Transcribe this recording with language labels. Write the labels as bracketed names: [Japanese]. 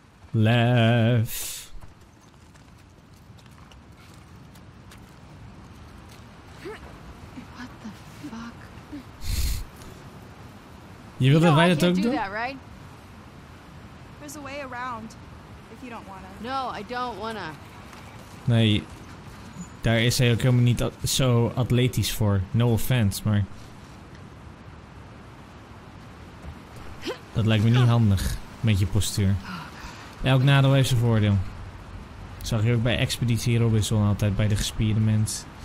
[Dutch] Lef. [English] What the fuck? [Dutch] Je wilt dat wij dat ook doen? [English] Right? There's a way around if you don't wanna. No, I don't wanna. [Dutch] Nee, daar is hij ook helemaal niet zo atletisch voor. [English] No offense, [Dutch] maar. Dat lijkt me niet handig met je postuur. Elk nadeel heeft zijn voordeel. Dat zag je ook bij Expeditie Robinson altijd bij de gespierde mens.